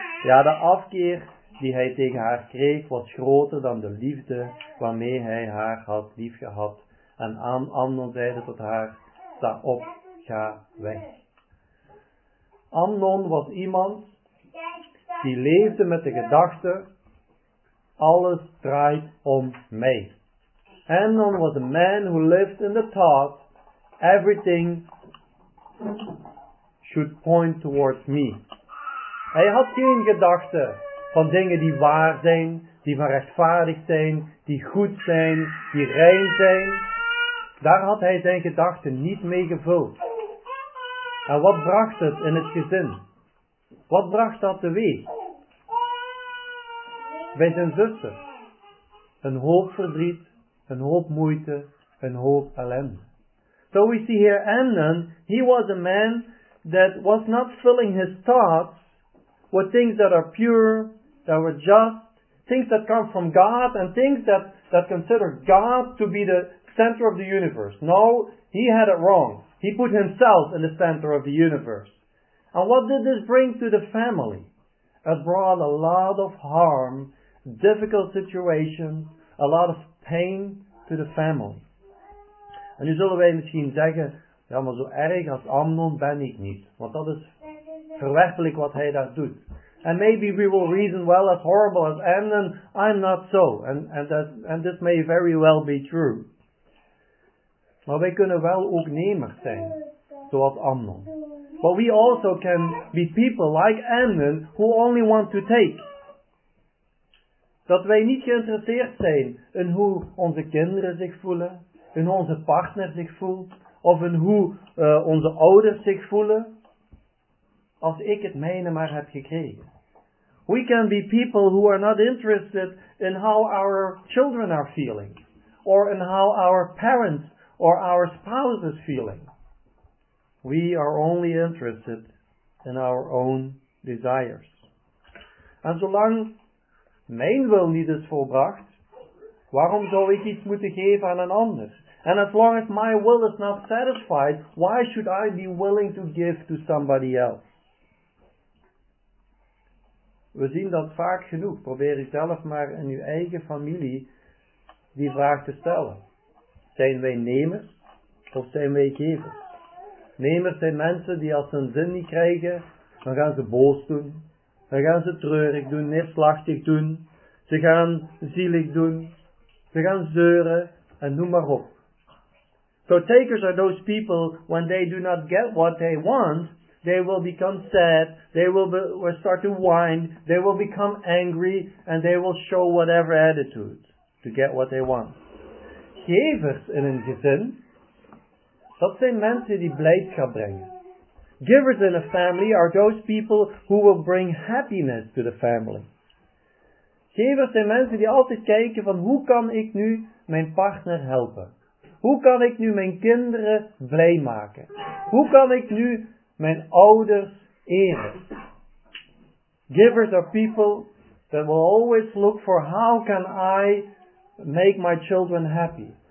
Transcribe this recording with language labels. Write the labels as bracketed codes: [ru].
[nl] Ja, de afkeer die hij tegen haar kreeg was groter dan de liefde waarmee hij haar had liefgehad. En Amnon zeide tot haar, sta op, ga weg. Amnon was iemand die leefde met de gedachte, alles draait om mij. [en] Amnon was a man who lived in the thought, everything should point towards me. [nl] Hij had geen gedachte van dingen die waar zijn, die van rechtvaardig zijn, die goed zijn, die rein zijn. Daar had hij zijn gedachten niet mee gevuld. En wat bracht het in het gezin? Wat bracht dat teweeg? Bij zijn zuster. Een hoop verdriet, een hoop moeite, een hoop ellende. [en] So we see here Amnon, he was a man that was not filling his thoughts with things that are pure, that were just, things that come from God, and things that consider God to be the center of the universe. No, he had it wrong. He put himself in the center of the universe. And what did this bring to the family? It brought a lot of harm, difficult situations, a lot of pain to the family. [nl] En nu zullen wij misschien zeggen, ja, maar zo erg als Amnon ben ik niet. Want dat is verwerpelijk wat hij daar doet. [en] And maybe we will reason, well, as horrible as Amnon, I'm not so. And this may very well be true. [nl] Maar wij kunnen wel ook nemers zijn, zoals Amnon. [en] But we also can be people like Amnon, who only want to take. [nl] Dat wij niet geïnteresseerd zijn in hoe onze kinderen zich voelen, in hoe onze partner zich voelt, of in hoe onze ouders zich voelen, als ik het mijne maar heb gekregen. [en] We can be people who are not interested in how our children are feeling, or in how our parents or our spouse is feeling. We are only interested in our own desires. [nl] En zolang mijn wil niet is volbracht, waarom zou ik iets moeten geven aan een ander? [en] And as long as my will is not satisfied, why should I be willing to give to somebody else? [nl] We zien dat vaak genoeg. Probeer u zelf maar in uw eigen familie die vraag te stellen. Zijn wij nemers of zijn wij gevers? Nemers zijn mensen die als ze hun zin niet krijgen, dan gaan ze boos doen. Dan gaan ze treurig doen, neerslachtig doen. Ze gaan zielig doen. Ze gaan zeuren en noem maar op. [en] So takers are those people, when they do not get what they want, they will become sad, they will start to whine, they will become angry, and they will show whatever attitude to get what they want. [nl] Gevers in een gezin, dat zijn mensen die blijdschap brengen. [en] Givers in a family are those people who will bring happiness to the family. [nl] Gevers zijn mensen die altijd kijken van hoe kan ik nu mijn partner helpen? Hoe kan ik nu mijn kinderen blij maken? Hoe kan ik nu mijn ouders eren? [en] Givers are people that will always look for how can I make my children happy?